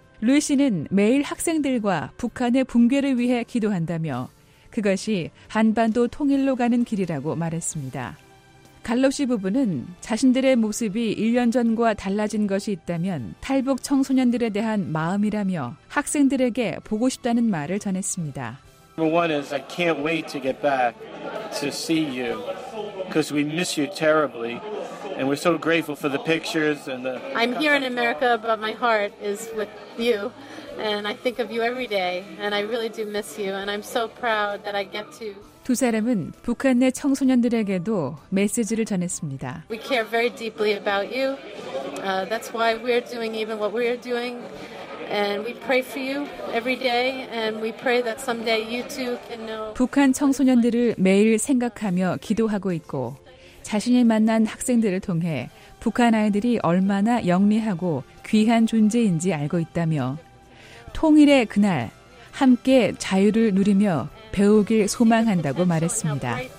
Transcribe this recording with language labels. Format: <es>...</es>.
<ko>루이 씨는 매일 학생들과 북한의 붕괴를 위해 기도한다며 그것이 한반도 통일로 가는 길이라고 말했습니다. 갈로 씨 부부는 자신들의 모습이 1년 전과 달라진 것이 있다면 탈북 청소년들에 대한 마음이라며 학생들에게 보고 싶다는 말을 전했습니다.</ko> <en>Number one is I can't wait to get back to see you because we miss you terribly and we're so grateful for the pictures and the. I'm here in America, but my heart is with you and I think of you every day and I really do miss you and I'm so proud that I get to.</en> <ko>두 사람은 북한 내 청소년들에게도 메시지를 전했습니다.</ko> <en>We care very deeply about you. That's why we're doing even what we're doing. And we pray for you every day. And we pray that someday you too can know.</en> <ko>북한 청소년들을 매일 생각하며 기도하고 있고 자신이 만난 학생들을 통해 북한 아이들이 얼마나 영리하고 귀한 존재인지 알고 있다며 통일의 그날 함께 자유를 누리며 배우길 소망한다고 말했습니다.</ko>